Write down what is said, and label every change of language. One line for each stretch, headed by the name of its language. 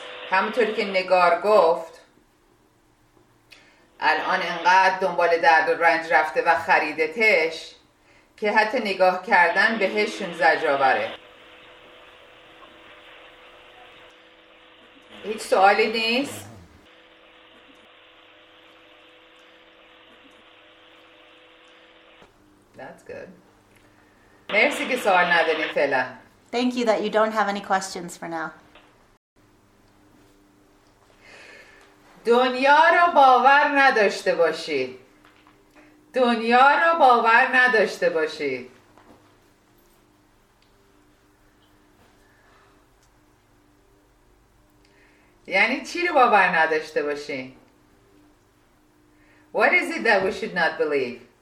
Persian: همونطوری که نگار گفت، الان انقدر دنبال درد و رنج رفته و خریده تش که حتی نگاه کردن بهشون زجاوره. هیچ سوالی نیست؟
English: That's good.
Persian: مرسی که سوال نداری فعلا.
English: Thank you that you don't have any questions for now.
Persian: دنیا رو باور نداشته باشی. دنیا رو باور نداشته باشی. یعنی چی رو باور نداشته باشی؟
English: What is it that we should not believe?